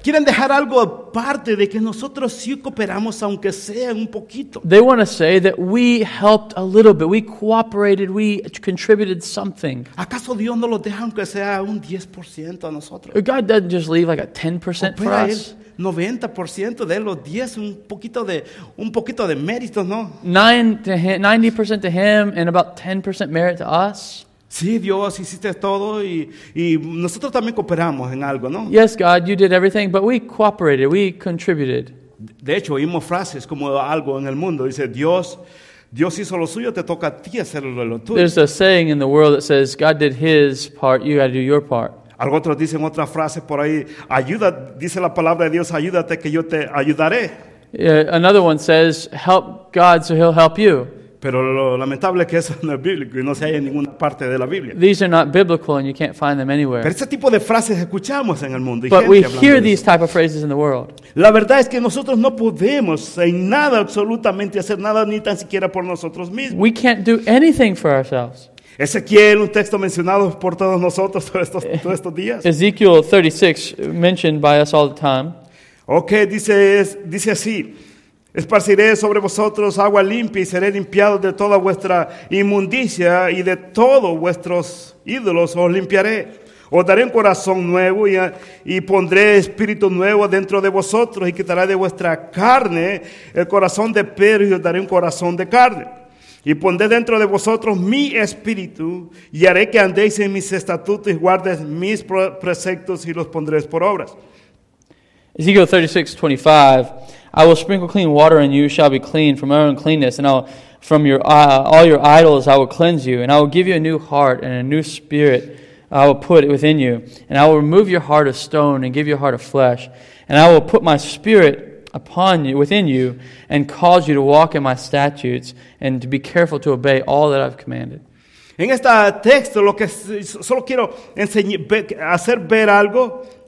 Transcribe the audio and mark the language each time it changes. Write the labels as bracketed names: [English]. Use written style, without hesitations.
[Spanish] Quieren dejar algo aparte de que nosotros sí cooperamos aunque sea un poquito. [English] They want to say that we helped a little bit. We cooperated. We contributed something. [Spanish] ¿Acaso Dios no los deja aunque sea un 10%? [English] God doesn't just leave like a 10% for us. [Spanish] 90% de los 10, un poquito de mérito, ¿no? [English] 90% to him and about 10% merit to us. [Spanish] Sí, Dios, hiciste todo y nosotros también cooperamos en algo, ¿no? [English] Yes, God, you did everything, but we cooperated, we contributed. [Spanish] De hecho, oímos frases como algo en el mundo. Dice, Dios hizo lo suyo, te toca a ti hacerlo lo tuyo. [English] There's a saying in the world that says, God did his part, you got to do your part. [Spanish] Algunos dicen otra frase por ahí, ayuda, dice la palabra de Dios, ayúdate que yo te ayudaré. [English] Another one says, help God so he'll help you. [Spanish] Pero lo lamentable es que eso no es bíblico y no se halla en ninguna parte de la Biblia. [English] These are not biblical and you can't find them anywhere. [Spanish] Pero este tipo de frases escuchamos en el mundo. [English] But we hear these type of phrases in the world. [Spanish] La verdad es que nosotros no podemos en nada absolutamente hacer nada ni tan siquiera por nosotros mismos. [English] We can't do anything for ourselves. [Spanish] Ezequiel, un texto mencionado por todos nosotros todos estos días. [English] Ezekiel 36, mentioned by us all the time. [Spanish] Okay, dice así. Esparciré sobre vosotros agua limpia y seré limpiado de toda vuestra inmundicia y de todos vuestros ídolos os limpiaré. Os daré un corazón nuevo y pondré espíritu nuevo dentro de vosotros y quitaré de vuestra carne el corazón de piedra y os daré un corazón de carne. Y pondré dentro de vosotros mi espíritu y haré que andéis en mis estatutos y guardes mis preceptos y los pondréis por obras. [English] Ezekiel 36:25, I will sprinkle clean water and you shall be clean from your uncleanness and I'll, from your all your idols I will cleanse you and I will give you a new heart and a new spirit I will put within you and I will remove your heart of stone and give you a heart of flesh and I will put my spirit upon you, within you, and cause you to walk in my statutes and to be careful to obey all that I've commanded. [Spanish] En este texto, lo que solo quiero hacer ver algo.